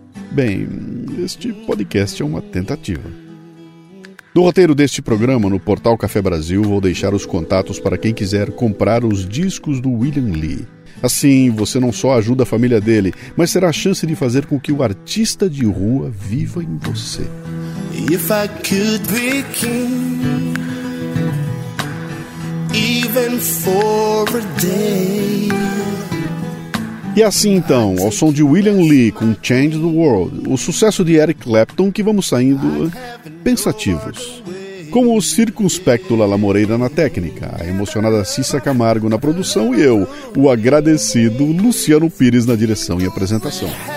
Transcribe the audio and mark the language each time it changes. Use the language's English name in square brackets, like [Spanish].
[Portuguese] Bem, este podcast é uma tentativa. No roteiro deste programa, no portal Café Brasil, vou deixar os contatos para quem quiser comprar os discos do William Lee. Assim, você não só ajuda a família dele, mas terá a chance de fazer com que o artista de rua viva em você. [English] If I could be king, even for a day. [Portuguese] E assim então, ao som de William Lee com Change the World, o sucesso de Eric Clapton, que vamos saindo pensativos. Com o circunspecto Lala Moreira na técnica, a emocionada Cissa Camargo na produção e eu, o agradecido Luciano Pires na direção e apresentação.